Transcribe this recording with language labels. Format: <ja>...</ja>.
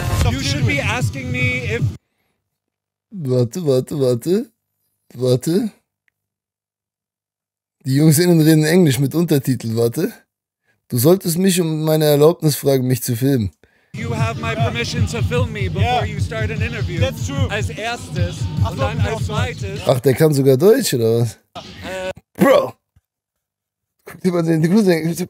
<en>You should be asking me if...</en> <de>Warte. Die Jungs innen reden Englisch mit Untertitel, warte. Du solltest mich um meine Erlaubnis fragen, mich zu filmen.</de> <en>You have my permission to film me before you start an interview. That's true.</en> <de>Als erstes und dann als zweites. Ach, der kann sogar Deutsch, oder was? Bro! Guck dir mal den Grund an.</de>